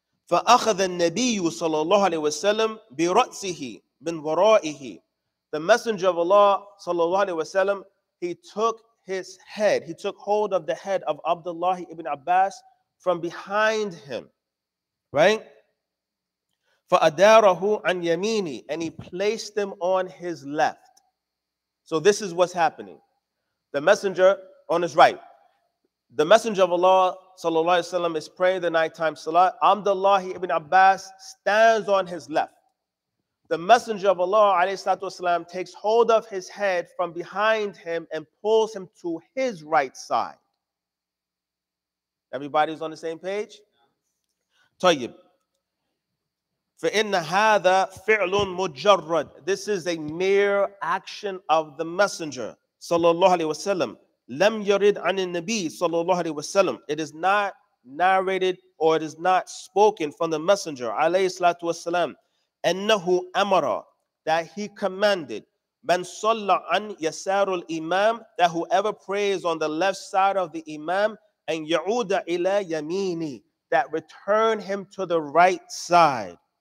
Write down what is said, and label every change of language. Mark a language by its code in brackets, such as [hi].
[ar] فَأَخَذَ النَّبِيُّ sallallahu alayhi wasallam بِرَأْسِهِ مِنْ وَرَائِهِ. [en] The Messenger of Allah, sallallahu alayhi wasallam, he took his head, he took hold of the head of Abdullah ibn Abbas from behind him, right? [ar] فَأَدَارَهُ عَنْ يَمِينِي, [en] and he placed him on his left. So this is what's happening. The Messenger on his right. The Messenger of Allah, sallallahu alayhi wa sallam, is praying the nighttime salat. Abdullah ibn Abbas stands on his left. The Messenger of Allah, alayhi salatu wasalam, takes hold of his head from behind him and pulls him to his right side. Everybody's on the same page? Tayyib. [ar] فَإِنَّ هَذَا فِعْلٌ مُجَرَّدٌ. [en] This is a mere action of the Messenger, sallallahu alayhi wasallam. لَمْ يَرِدْ عَنِ النَّبِيِّ sallallahu alayhi wasallam. It is not narrated or it is not spoken from the Messenger, alayhi salatu wasallam. [ar] أَنَّهُ أَمَرَ, [en] that he commanded. [ar] مَنْ صَلَّ عَنْ يَسَارُ الْإِمَامِ, [en] that whoever prays on the left side of the Imam, and [ar] يَعُودَ إِلَى يَمِينِ, [en] that return him to the right side.